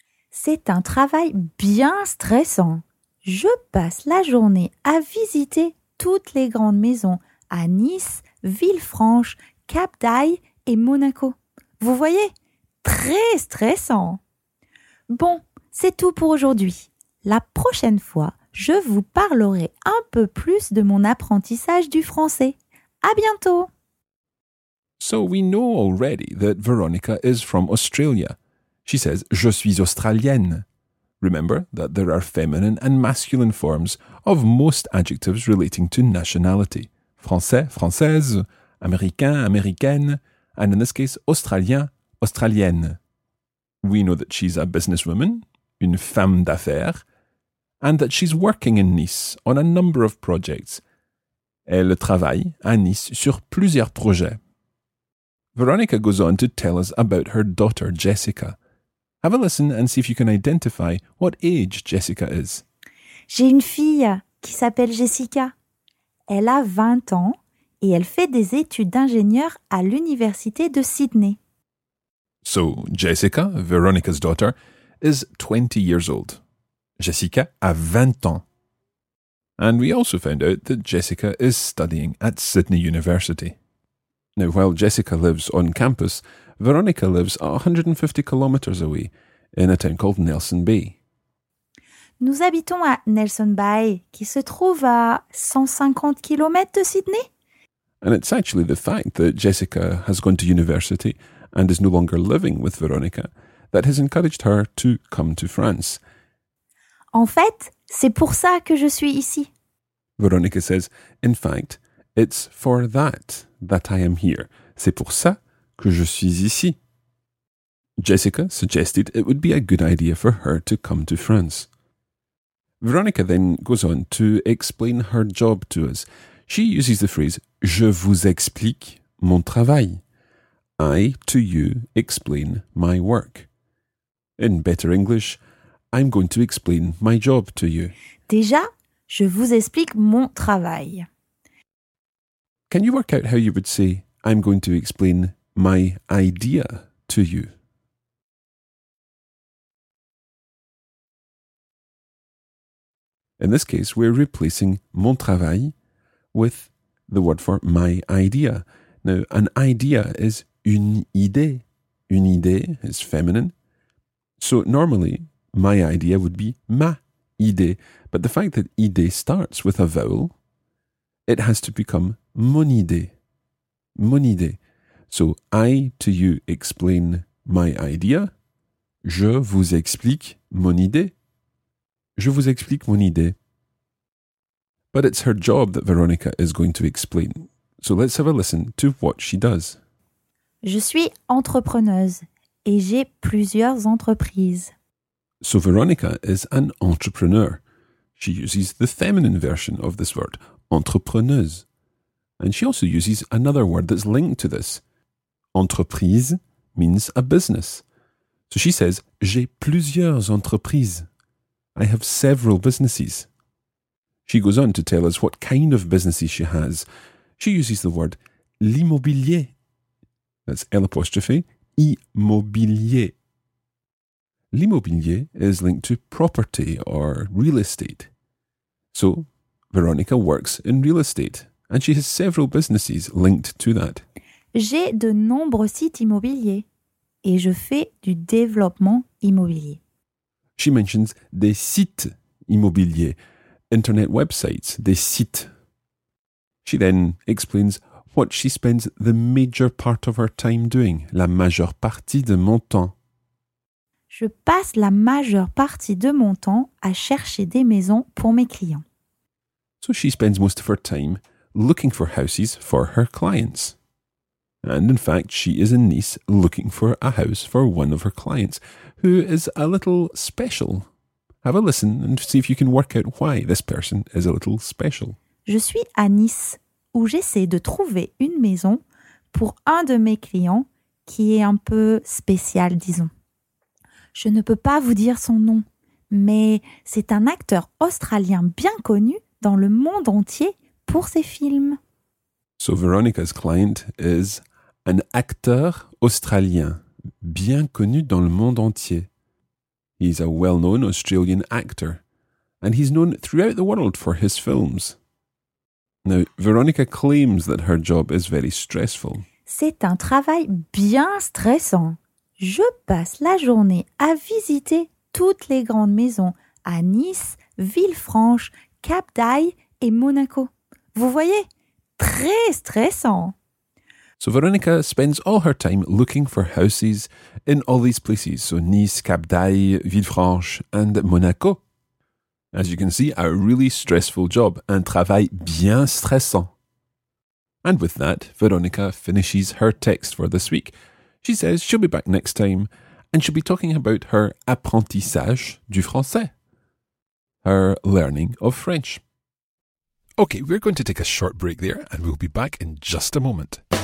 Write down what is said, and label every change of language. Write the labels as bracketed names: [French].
[French] C'est un travail bien stressant. Je passe la journée à visiter toutes les grandes maisons à Nice, Villefranche, Cap d'Ail et Monaco. Vous voyez, très stressant. Bon, c'est tout pour aujourd'hui. La prochaine fois, je vous parlerai un peu plus de mon apprentissage du français. À bientôt! [English] So we know already that Veronica is from Australia. She says, [French] je suis australienne. [English] Remember that there are feminine and masculine forms of most adjectives relating to nationality. [French] Français, française, américain, américaine, [English] and in this case, [French] australien, australienne. [English] We know that she's a businesswoman, [French] une femme d'affaires, [English] and that she's working in Nice on a number of projects. [French] Elle travaille à Nice sur plusieurs projets. [English] Veronica goes on to tell us about her daughter, Jessica. Have a listen and see if you can identify what age Jessica is. [French] J'ai une fille qui s'appelle Jessica. Elle a 20 ans et elle fait des études d'ingénieur à l'université de Sydney. [English] So, Jessica, Veronica's daughter, is 20 years old. [French] Jessica a 20 ans. [English] And we also found out that Jessica is studying at Sydney University. Now, while Jessica lives on campus, Veronica lives 150 kilometers away in a town called Nelson Bay. [French] Nous habitons à Nelson Bay, qui se trouve à 150 kilometers de Sydney. [English] And it's actually the fact that Jessica has gone to university and is no longer living with Veronica that has encouraged her to come to France. [French] En fait, c'est pour ça que je suis ici. [English] Veronica says, in fact, it's for that I am here. [French] C'est pour ça que je suis ici. [English] Jessica suggested it would be a good idea for her to come to France. Veronica then goes on to explain her job to us. She uses the phrase, [French] je vous explique mon travail. [English] I, to you, explain my work. In better English, I'm going to explain my job to you. [French] Déjà, je vous explique mon travail. [English] Can you work out how you would say, I'm going to explain my idea to you? In this case, we're replacing [French] mon travail [English] with the word for my idea. Now, an idea is [French] une idée. Une idée [English] is feminine. So normally, my idea would be [French] ma idée. [English] But the fact that idée starts with a vowel, it has to become [French] mon idée. Mon idée. [English] So I, to you, explain my idea. [French] Je vous explique mon idée. Je vous explique mon idée. [English] But it's her job that Veronica is going to explain. So let's have a listen to what she does. [French] Je suis entrepreneuse et j'ai plusieurs entreprises. [English] So Veronica is an entrepreneur. She uses the feminine version of this word, entrepreneuse. And she also uses another word that's linked to this. Entreprise means a business. So she says, [French] j'ai plusieurs entreprises. [English] I have several businesses. She goes on to tell us what kind of businesses she has. She uses the word l'immobilier. That's L apostrophe, immobilier. L'immobilier is linked to property or real estate. So, Veronica works in real estate and she has several businesses linked to that. [French] J'ai de nombreux sites immobiliers et je fais du développement immobilier. [English] She mentions [French] des sites immobiliers. [English] Internet websites, [French] des sites. [English] She then explains what she spends the major part of her time doing, [French] la majeure partie de mon temps. Je passe la majeure partie de mon temps à chercher des maisons pour mes clients. [English] So she spends most of her time looking for houses for her clients. And in fact, she is in Nice looking for a house for one of her clients, who is a little special. Have a listen and see if you can work out why this person is a little special. [French] Je suis à Nice, où j'essaie de trouver une maison pour un de mes clients qui est un peu spécial, disons. Je ne peux pas vous dire son nom, mais c'est un acteur australien bien connu dans le monde entier pour ses films. [English] So Veronica's client is an [French] acteur australien bien connu dans le monde entier. [English] He's a well-known Australian actor, and he's known throughout the world for his films. Now, Veronica claims that her job is very stressful. C'est un travail bien stressant. Je passe la journée à visiter toutes les grandes maisons à Nice, Villefranche, Cap d'Aille et Monaco. Vous voyez? Très stressant! So Veronica spends all her time looking for houses in all these places. So Nice, Cap d'Aille, Villefranche and Monaco. As you can see, a really stressful job. [French] Un travail bien stressant. [English] And with that, Veronica finishes her text for this week. She says she'll be back next time and she'll be talking about her [French] apprentissage du français. [English] Her learning of French. Okay, we're going to take a short break there and we'll be back in just a moment.